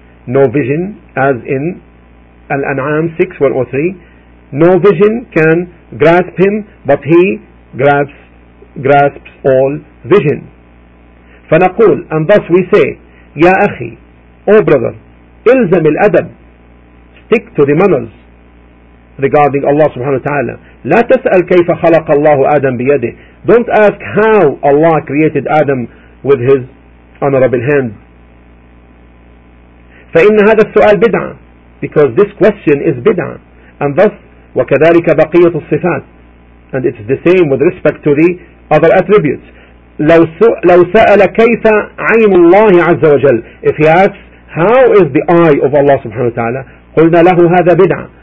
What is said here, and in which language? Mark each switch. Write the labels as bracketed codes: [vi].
[en] No vision, as in Al-An'am 6:103, no vision can grasp him, but he grasps all vision. [ar] فنقول, [en] and thus we say, [ar] يا أخي, [en] O brother, [ar] إلزم الأدب, [en] stick to the manners regarding Allah subhanahu wa ta'ala. [ar] لا تسأل كيف خلق الله آدم بيده. [en] Don't ask how Allah created Adam with his honorable hand. [ar] فإن هذا السؤال بدعة, [en] because this question is [ar] بدعة. [en] And thus, [ar] وكذلك بقية الصفات, [en] and it's the same with respect to the other attributes. [ar] لو سأل كيف عين الله عز وجل, [en] if he asks how is the eye of Allah subhanahu wa ta'ala, [ar] قلنا له هذا بدعة.